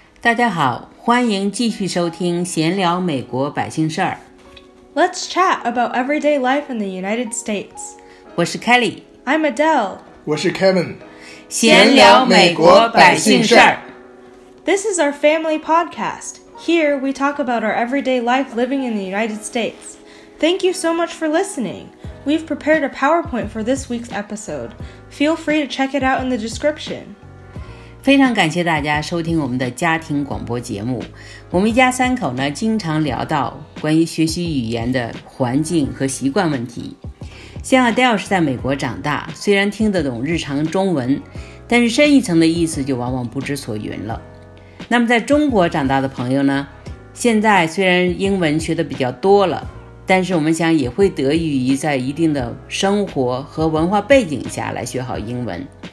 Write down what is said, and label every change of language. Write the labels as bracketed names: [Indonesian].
[Chinese] 大家好，欢迎继续收听闲聊美国百姓事儿。 [English] Let's chat about everyday life in the United States. [Chinese] 我是 Kelly. [English] I'm Adele. [Chinese] 我是 Kevin. 闲聊美国百姓事儿。 [English] This is our family podcast. Here, we talk about our everyday life living in the United States. Thank you so much for listening. We've prepared a PowerPoint for this week's episode. Feel free to check it out in the description. [Chinese] 非常感谢大家收听我们的家庭广播节目。我们一家三口呢，经常聊到关于学习语言的环境和习惯问题。像 Adele 是在美国长大，虽然听得懂日常中文，但是深一层的意思就往往不知所云了。那么在中国长大的朋友呢，现在虽然英文学得比较多了，但是我们想也会得益于在一定的生活和文化背景下来学好英文。